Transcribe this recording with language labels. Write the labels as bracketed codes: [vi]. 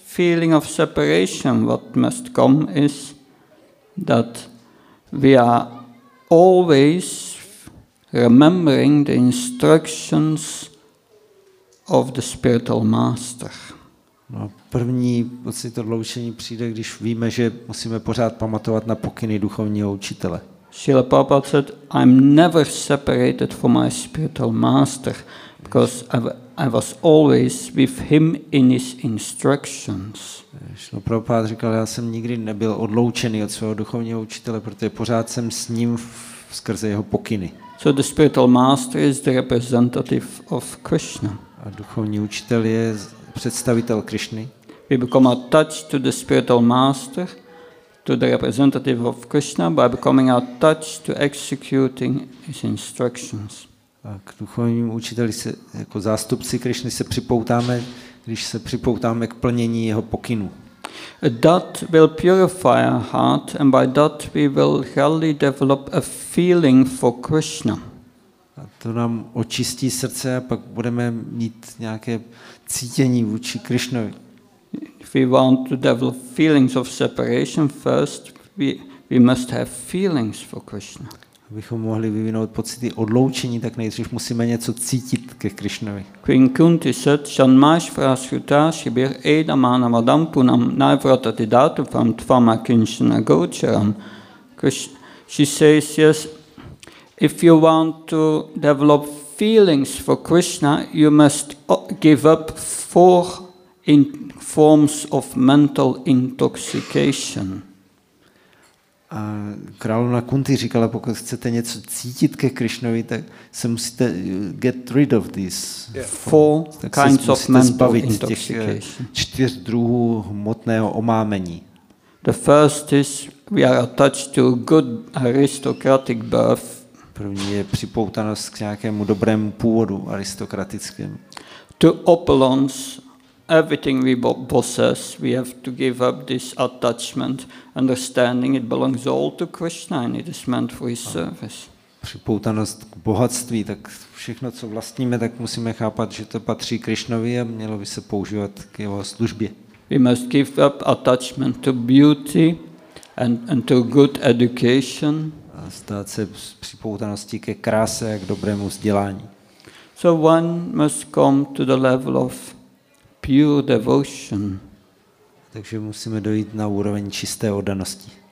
[en] feeling of separation, what must come is that we are always remembering the instructions of the spiritual master. [cs] No, první pocit odloučení přijde, když víme, že musíme pořád pamatovat na pokyny duchovního učitele. [en] Srila Prabhupada said, I'm never separated from my spiritual master, because I was always with him in his instructions. [cs] Srila Prabhupada říkal, já jsem nikdy nebyl odloučený od svého duchovního učitele, protože pořád jsem s ním skrze jeho pokyny. [en] So the spiritual master is the representative of Krishna. [cs] A duchovní učitel je představitel Krishny. [en] We become attached to the spiritual master, to the representative of Krishna, by becoming attached to executing his instructions. [cs] A k duchovním učiteli se jako zástupci Krishny se připoutáme, když se připoutáme k plnění jeho pokynů. [en] That will purify our heart, and by that we will really develop a feeling for Krishna. [cs] A to nám očistí srdce a pak budeme mít nějaké cítění vůči Krishnovi. [en] If we want to develop feelings of separation first, we must have feelings for Krishna. [cs] Abychom mohli vyvinout pocity odloučení, tak nejdřív musíme něco cítit ke Krishnovi. [sa] Queen Kunti said, Shanmash Vrashuta Shibir Eda Manavadam Punam Naivratati Datupam Tvama Kinshana Gocharam. [en] She says, yes, if you want to develop feelings for Krishna, you must give up four forms of mental intoxication. [cs] A královna Kunti říkala, pokud chcete něco cítit ke Krishnovi, tak se musíte [en] get rid of these four kinds of mental intoxication. [cs] Čtyř druhů hmotného omámení. [en] The first is we are attached to good aristocratic birth. [cs] První je připoutanost k nějakému dobrému původu aristokratickému. [en] To opulence, everything we possess, we have to give up this attachment, understanding it belongs all to Krishna and it is meant for his service. [cs] Připoutanost k bohatství, tak všechno, co vlastníme, tak musíme chápat, že to patří Krishnovi a mělo by se používat k jeho službě. [en] We must give up attachment to beauty and to good education. [cs] A stát se připoutaností ke kráse a k dobrému vzdělání. [en] So one must come to the level of pure devotion. [cs] Takže musíme dojít na úroveň čisté oddanosti.